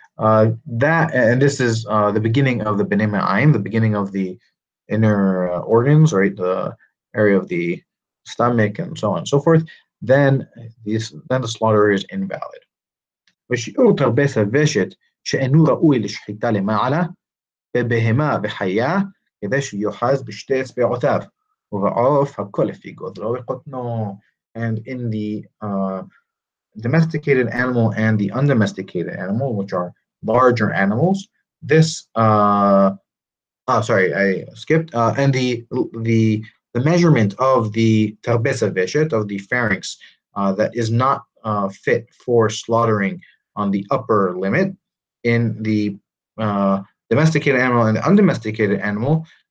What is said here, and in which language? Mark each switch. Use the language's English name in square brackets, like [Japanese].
[English] That and this is the beginning of the bnei me'ayim, the beginning of the inner organs, right? The area of the stomach and so on and so forth. Then the slaughter is invalid. [Hebrew] ושיעור תרבס הוושת שאינו ראוי לשחיטה למעלה, בבהמה וחיה, כדי שיוחז בשתי אצבעותיו, ובעוף הכל לפי גודלו וקוטנו. [English] And in the domesticated animal and the undomesticated animal, which are larger animals, the measurement of the תרבס הוושת, of the pharynx, that is not fit for slaughtering on the upper limit in the domesticated animal and the undomesticated animal,